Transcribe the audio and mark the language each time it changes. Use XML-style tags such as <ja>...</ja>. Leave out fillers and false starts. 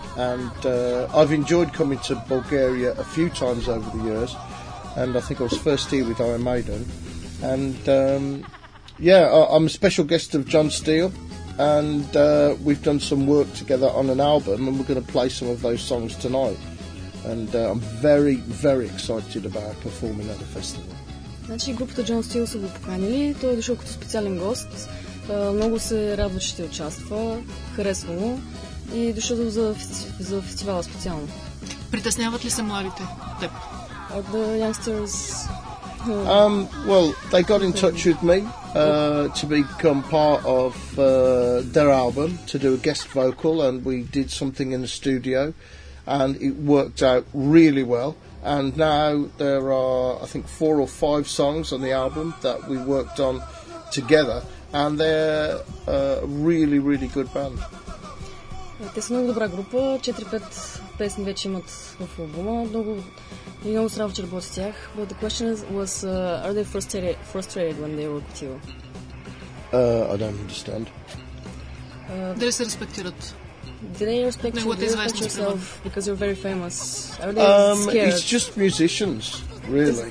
<en>And I've enjoyed coming to Bulgaria a few times over the years, and I think I was first here with Iron Maiden. And I'm a special guest of John Steele, and we've done some work together on an album, and we're going to play some of those songs tonight. And I'm very, very excited about performing at the festival.</en> <bg>Значи, групата John Steele са го поканили, той е дошъл като специален гост, много се радва, че ти участва, харесва му. И дошъл за фестивала специално. Притесняват ли се младите теб?</bg> <en>The youngsters. Well, they got in touch with me to become part of their album, to do a guest vocal, and we did something in the studio, and it worked out really well. And now there are, I think, four or five songs on the album that we worked on together, and they're a really, really good band.</en> <bg>Те са много добра група. 4-5 песни вече имат в албума. Много, и много срам, че работи с тях.</bg> <en>But the question is, was, are they frustrated when they work with you? I don't understand.</en> <bg>Дали се респектират?</bg> <en>Do they respect you? Do they respect yourself? Because you're very famous. Are they scared? It's just musicians, really.</en>